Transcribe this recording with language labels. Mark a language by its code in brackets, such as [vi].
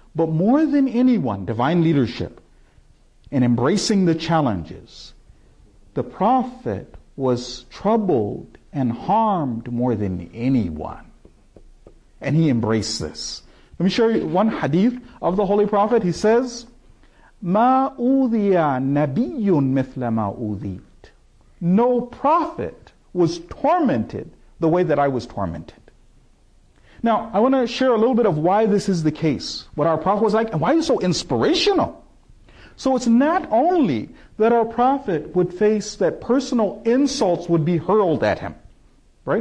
[en] But more than anyone, divine leadership, in embracing the challenges, the Prophet was troubled and harmed more than anyone. And he embraced this. Let me show you one hadith of the Holy Prophet. He says, [ar] مَا أُوذِيَ نَبِيٌّ مِثْلَ مَا أُوذِيتْ. [en] No prophet was tormented the way that I was tormented. Now, I want to share a little bit of why this is the case, what our Prophet was like, and why he's so inspirational. So it's not only that our Prophet would face that personal insults would be hurled at him, right?